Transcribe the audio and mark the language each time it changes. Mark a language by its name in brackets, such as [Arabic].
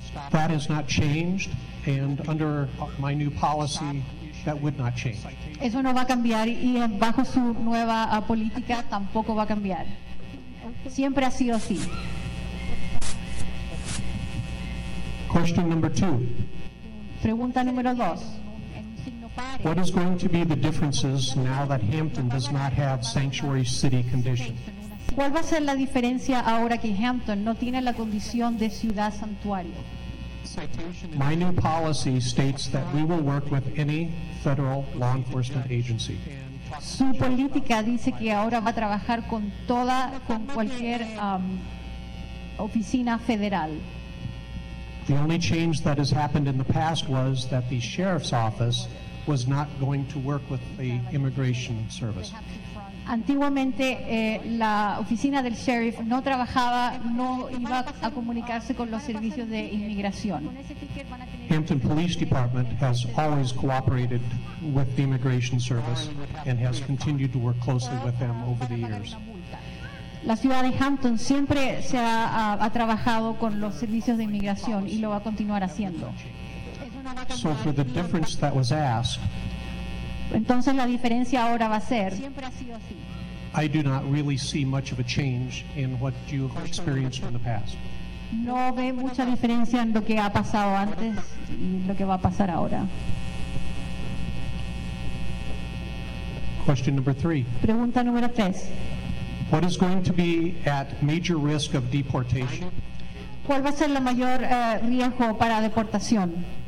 [English] That has not changed, and under my new policy, that would not change. [Spanish] Eso no va a cambiar y bajo su nueva política tampoco va a cambiar. Siempre ha sido así. [English] Question number two. [Spanish] Pregunta número dos. [English] What is going to be the differences now that Hampton does not have sanctuary city condition? [Spanish] ¿Cuál va a ser la diferencia ahora que Hampton no tiene la condición de ciudad santuario? [English] My new policy states that we will work with any federal law enforcement agency. [Spanish] Su política dice que ahora va a trabajar con toda, con cualquier oficina federal. [English] The only change that has happened in the past was that the sheriff's office was not going to work with the immigration service. [Spanish] Antiguamente, la oficina del sheriff no trabajaba, no iba a comunicarse con los servicios de inmigración. [English] Hampton Police Department has always cooperated with the immigration service and has continued to work closely with them over the years. [Spanish] La ciudad de Hampton siempre se ha trabajado con los servicios de inmigración y lo va a continuar haciendo. [English] So for the difference that was asked, [Spanish] entonces la diferencia ahora va a ser, [English] I do not really see much of a change in what you have experienced in the past. [Spanish] No ve mucha diferencia en lo que ha pasado antes y lo que va a pasar ahora. [English] Question number three. [Spanish] Pregunta número tres. [English] What is going to be at major risk of deportation? [Spanish] ¿Cuál va a ser la mayor riesgo para deportación?